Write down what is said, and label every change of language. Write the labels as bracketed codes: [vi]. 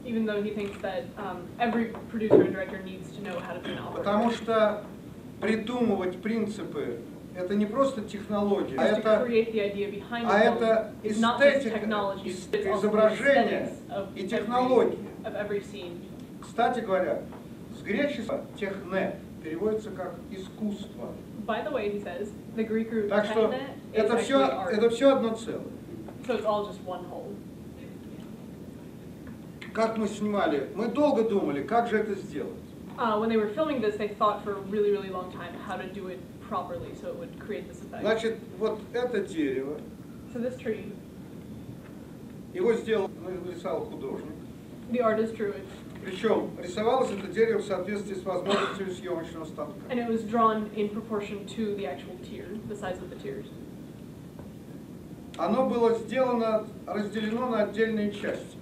[en] Even though he thinks that every producer and director needs to know how to be an operator. [ru] Потому что придумывать принципы — это не просто технология, а это эстетика, изображение и технология. Кстати говоря, с греческого «техне» переводится как «искусство». [en] By the way, he says, the Greek root [ru] так что это все одно целое. [en] So it's all just one whole. [ru] Как мы снимали? Мы долго думали, как же это сделать. [en] When they were filming this, they thought for a really, really long time how to do it properly so it would create this effect. [ru] Значит, вот это дерево. [en] So this tree. [ru] Его сделал, рисовал художник. [en] The artist drew it. [ru] Причем рисовалось это дерево в соответствии с возможностью съемочного станка. [en] And it was drawn in proportion to the actual tier, the size of the tiers. [ru] Оно было сделано, разделено на отдельные части.